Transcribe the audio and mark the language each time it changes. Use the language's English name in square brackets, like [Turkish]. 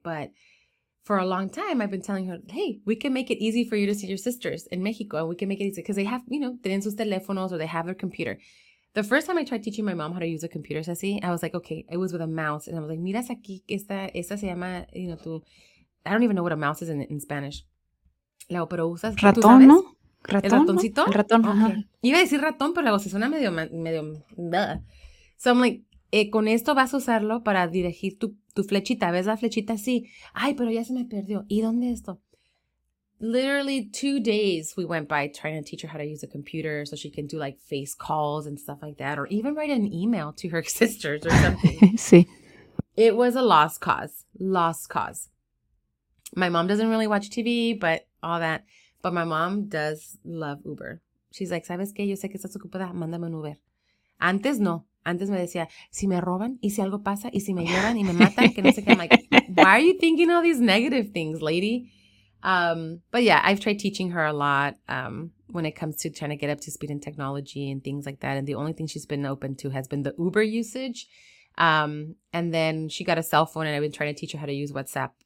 [English] But for a long time, I've been telling her, hey, we can make it easy for you to see your sisters in Mexico. And we can make it easy because they have, you know, [Spanish] tienen sus teléfonos [English] or they have their computer. The first time I tried teaching my mom how to use a computer, Ceci, I was like, okay, it was with a mouse. And I was like, [Spanish] mira, aquí, esta, esta se llama, [English] you know, tu, I don't even know what a mouse is in Spanish. [Spanish] Luego, pero usas, ¿tú sabes? ¿No? ¿El ratoncito? El ratón, [English] okay. [Spanish] Ajá. Iba a decir ratón, pero luego se suena medio, medio, blah. [English] So I'm like, [Spanish] con esto vas a usarlo para dirigir tu, tu flechita. ¿Ves la flechita? Sí. Ay, pero ya se me perdió. ¿Y dónde esto? [English] Literally 2 days we went by trying to teach her how to use a computer so she can do like face calls and stuff like that, or even write an email to her sisters or something. See, it was a lost cause. Lost cause. My mom doesn't really watch TV, but all that. But my mom does love Uber. She's like, [Spanish] ¿sabes qué? Yo sé que estás ocupada. Mándame un Uber. Antes no. Antes me decía, si me roban, y si algo pasa, y si me llevan, y me matan, que no sé qué. [English] I'm like, why are you thinking all these negative things, lady? But yeah, I've tried teaching her a lot when it comes to trying to get up to speed in technology and things like that. And the only thing she's been open to has been the Uber usage. And then she got a cell phone, and I've been trying to teach her how to use WhatsApp.